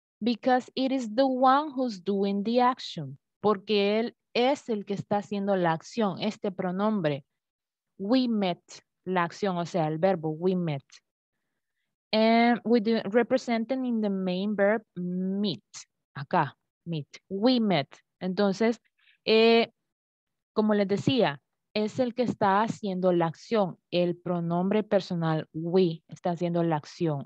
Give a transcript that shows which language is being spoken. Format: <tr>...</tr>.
<en>Because it is the one who's doing the action.</en> <es>Porque él es el que está haciendo la acción. Este pronombre,</es> <en>we met,</en> <es>la acción, o sea, el verbo, we met.</es> <en>And we do, representing in the main verb, meet.</en> <es>Acá,</es> <en>meet. We met.</en> <es>Entonces, como les decía, es el que está haciendo la acción. El pronombre personal, we, está haciendo la acción.</es>